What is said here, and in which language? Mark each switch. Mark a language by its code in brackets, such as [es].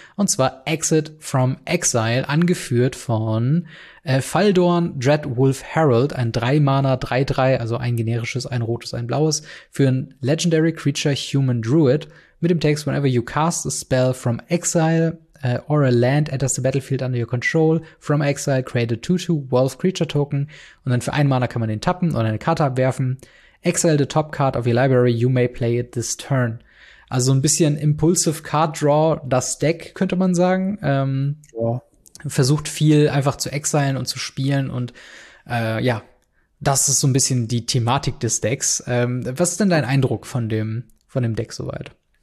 [de] Und zwar Exit from Exile, angeführt von Faldorn Dreadwolf Herald, ein 3-Mana-3-3, also ein generisches, ein rotes, ein blaues, für ein Legendary Creature Human Druid mit dem Text: [en] Whenever you cast a spell from Exile or a land enters the battlefield under your control, from Exile create a 2/2 Wolf Creature Token. [de] Und dann für 1 Mana kann man den tappen und eine Karte abwerfen. [en] Exile the top card of your library, you may play it this turn. [de] Also ein bisschen impulsive card draw, das Deck, könnte man sagen. Versucht viel einfach zu exilen und zu spielen. Und ja, das ist so ein bisschen die Thematik des Decks. Was ist denn dein Eindruck von dem Deck soweit?